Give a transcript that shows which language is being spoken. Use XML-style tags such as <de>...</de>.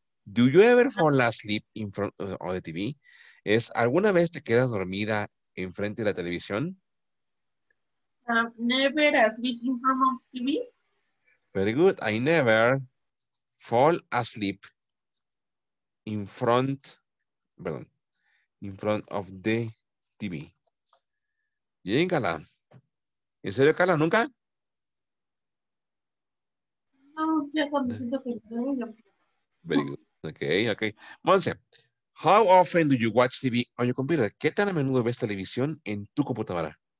<en>Do you ever fall asleep in front of the TV?</en> <es>¿Es alguna vez te quedas dormida en frente de la televisión?</es> <en>Never asleep in front of TV. Very good. I never fall asleep in front of in front of the TV.</en> <es>Bien, Carla. ¿En serio, Carla? ¿Nunca?</es> <en>No, Very good. Okay, okay. Monse, how often do you watch TV on your computer?</en> <es>¿Qué tan a menudo ves televisión en tu computadora?</es>